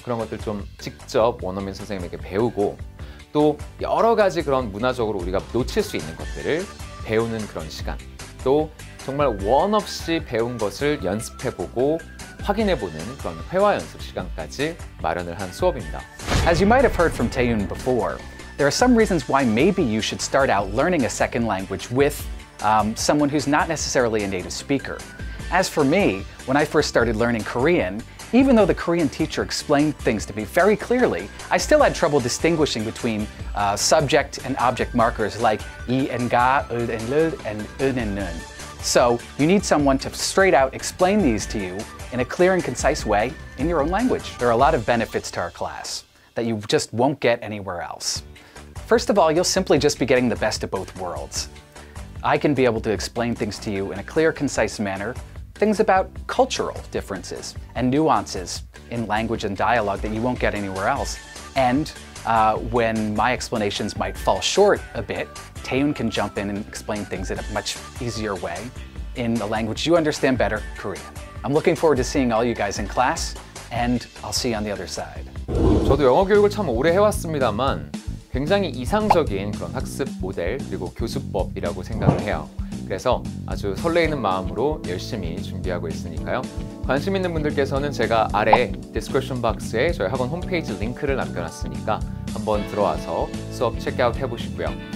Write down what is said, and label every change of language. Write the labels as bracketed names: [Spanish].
[Korean] 그런 것들 좀 직접 원어민 선생님에게 배우고, 또 여러 가지 그런 문화적으로 우리가 놓칠 수 있는 것들을 배우는 그런 시간, 또 정말 원 없이 배운 것을 연습해보고 확인해보는 그런 회화 연습 시간까지 마련을 한 수업입니다. [English] As you might have heard from Taeyun before, there are some reasons why maybe you should start out learning a second language with someone who's not necessarily a native speaker. As for me, when I first started learning Korean, even though the Korean teacher explained things to me very clearly, I still had trouble distinguishing between subject and object markers like 이 and 가, 을 and 를, and 은 and 는. So you need someone to straight out explain these to you in a clear and concise way in your own language. There are a lot of benefits to our class that you just won't get anywhere else. First of all, you'll simply just be getting the best of both worlds. I can be able to explain things to you in a clear, concise manner, things about cultural differences and nuances in language and dialogue that you won't get anywhere else. And when my explanations might fall short a bit, Taeyun can jump in and explain things in a much easier way in the language you understand better, Korean. I'm looking forward to seeing all you guys in class, and I'll see you on the other side. [Korean] 저도 영어 교육을 참 오래 해왔습니다만 굉장히 이상적인 그런 학습 모델 그리고 교수법이라고 생각을 해요. 그래서 아주 설레이는 마음으로 열심히 준비하고 있으니까요. 관심 있는 분들께서는 제가 아래 description box에 저희 학원 홈페이지 링크를 남겨놨으니까 한번 들어와서 수업 체크아웃 해보시고요.